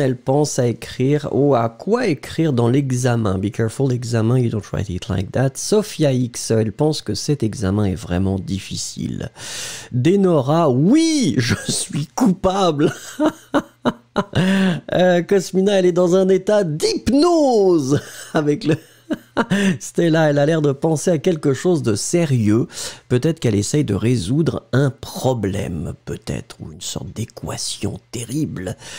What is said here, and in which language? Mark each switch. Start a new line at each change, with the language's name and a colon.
French: Elle pense à écrire ou à quoi écrire dans l'examen.
English: Be careful, l'examen, you don't write it like that.
French: Sophia X, elle pense que cet examen est vraiment difficile. Denora, oui, je suis coupable. Cosmina, elle est dans un état d'hypnose avec le... Stella, elle a l'air de penser à quelque chose de sérieux. Peut-être qu'elle essaye de résoudre un problème, peut-être, ou une sorte d'équation terrible.